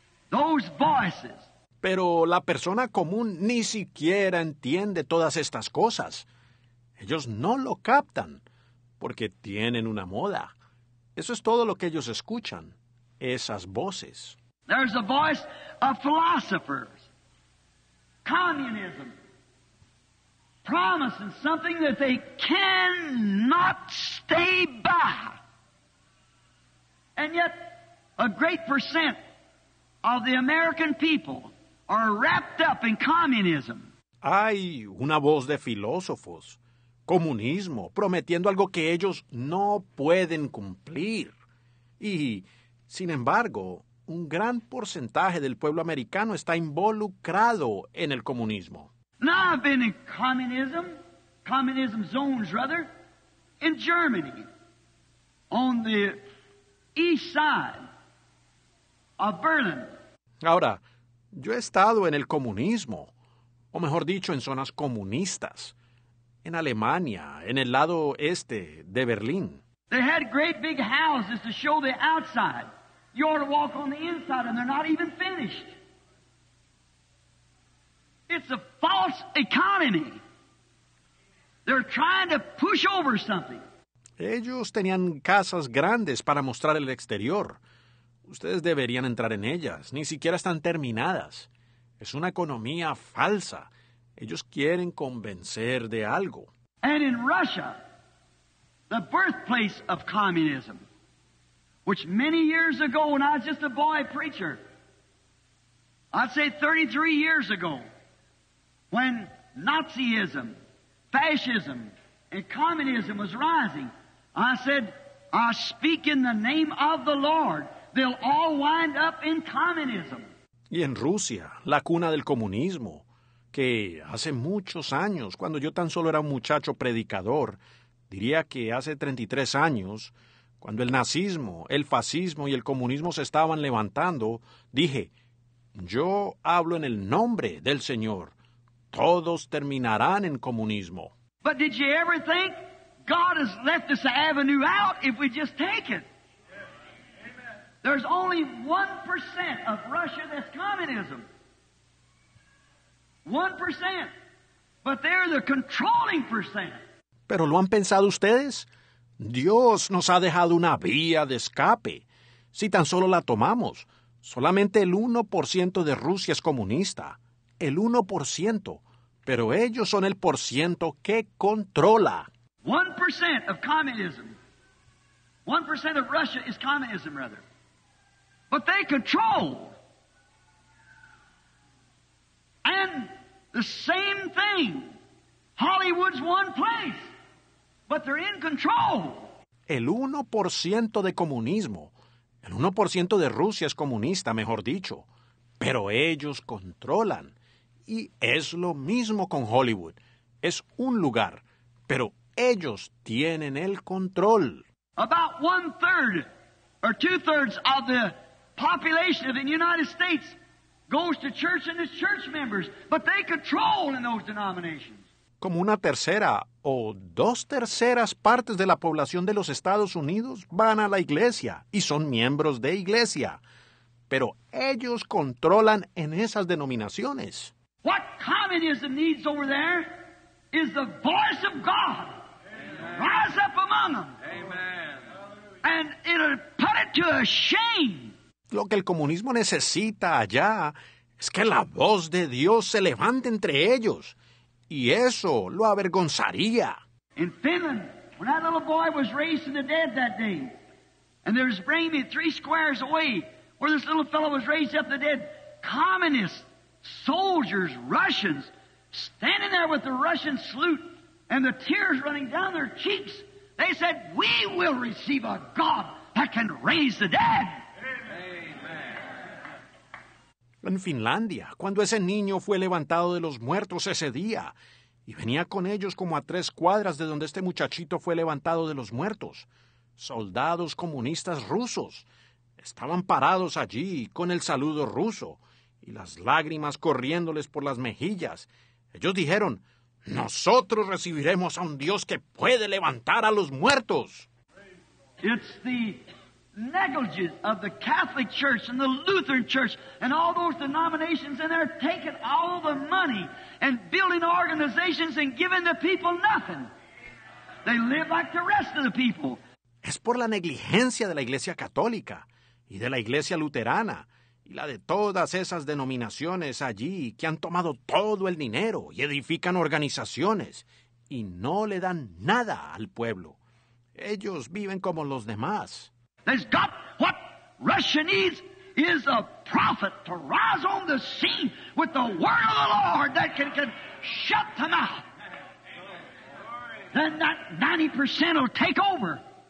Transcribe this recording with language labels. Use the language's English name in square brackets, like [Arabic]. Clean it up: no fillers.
[English] Those voices. [Spanish] Pero la persona común ni siquiera entiende todas estas cosas. Ellos no lo captan porque tienen una moda. Eso es todo lo que ellos escuchan, esas voces. [English] There's a voice of philosophers. Communism. Promising something that they cannot stay by. And yet, a great percent of the American people are wrapped up in communism. [Spanish] Hay una voz de filósofos, comunismo, prometiendo algo que ellos no pueden cumplir. Y, sin embargo, un gran porcentaje del pueblo americano está involucrado en el comunismo. [English] Now I've been in communism, communism zones rather, in Germany, on the east side of Berlin. [Spanish] Ahora, yo he estado en el comunismo, o mejor dicho, en zonas comunistas, en Alemania, en el lado este de Berlín. [English] They had great big houses to show the outside. You ought to walk on the inside and they're not even finished. It's a false economy. They're trying to push over something. [Spanish] Ellos tenían casas grandes para mostrar el exterior. Ustedes deberían entrar en ellas. Ni siquiera están terminadas. Es una economía falsa. Ellos quieren convencer de algo. [English] And in Russia, the birthplace of communism, which many years ago when I was just a boy preacher, I'd say 33 years ago, when Nazism, fascism, and communism was rising, I said, I speak in the name of the Lord. They'll all wind up in communism. [Spanish] Y en Rusia, la cuna del comunismo, que hace muchos años, cuando yo tan solo era un muchacho predicador, diría que hace 33 años, cuando el nazismo, el fascismo y el comunismo se estaban levantando, dije, yo hablo en el nombre del Señor. Todos terminarán en comunismo. [English] But did you ever think God has left us an avenue out if we just take it? There's only 1% of Russia that's communism. 1%. But they're the controlling percent. [Spanish] ¿Pero lo han pensado ustedes? Dios nos ha dejado una vía de escape. Si tan solo la tomamos, solamente el 1% de Rusia es comunista. El 1%. Pero ellos son el porciento que controla. [English] 1% of communism. 1% of Russia is communism, rather. But they control. And the same thing. Hollywood's one place. But they're in control. [Spanish] El 1% de comunismo. El 1% de Rusia es comunista, mejor dicho. Pero ellos controlan. Y es lo mismo con Hollywood. Es un lugar. Pero ellos tienen el control. [English] About one third or two thirds of the population of the United States goes to church and its church members, but they control in those denominations. [Spanish] Como una tercera o dos terceras partes de la población de los Estados Unidos van a la iglesia y son miembros de iglesia, pero ellos controlan en esas denominaciones. [English] What communism needs over there is the voice of God. Amen. Rise up among them. Amen. And it'll put it to a shame. [Spanish] Lo que el comunismo necesita allá es que la voz de Dios se levante entre ellos, y eso lo avergonzaría. [English] In Finland, when that little boy was raised to the dead that day, and they were bringing me three squares away, where this little fellow was raised up the dead, communists, soldiers, Russians, standing there with the Russian salute and the tears running down their cheeks, they said, "We will receive a God that can raise the dead." [Spanish] En Finlandia, cuando ese niño fue levantado de los muertos ese día, y venía con ellos como a tres cuadras de donde este muchachito fue levantado de los muertos, soldados comunistas rusos estaban parados allí con el saludo ruso y las lágrimas corriéndoles por las mejillas. Ellos dijeron, "Nosotros recibiremos a un Dios que puede levantar a los muertos." [English] It's the negligence of the Catholic Church and the Lutheran Church and all those denominations, and they're taking all the money and building organizations and giving the people nothing. They live like the rest of the people. [Spanish] Es por la negligencia de la Iglesia Católica y de la Iglesia Luterana y la de todas esas denominaciones allí que han tomado todo el dinero y edifican organizaciones y no le dan nada al pueblo. Ellos viven como los demás. [English] They've got what Russia needs is a prophet to rise on the scene with the word of the Lord that can shut them out. Then that 90% will take over.